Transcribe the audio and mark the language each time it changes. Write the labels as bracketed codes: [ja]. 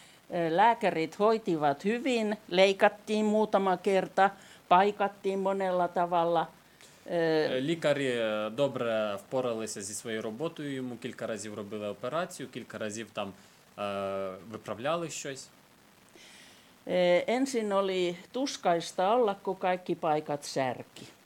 [fi] Lääkärit hoitivat hyvin, leikattiin muutama kerta, paikattiin monella tavalla. [uk] Лікарі добре впоралися зі своєю роботою, йому кілька разів робили операцію, кілька разів там виправляли щось. [fi] Ensin oli tuskaista olla, kun kaikki paikat särki.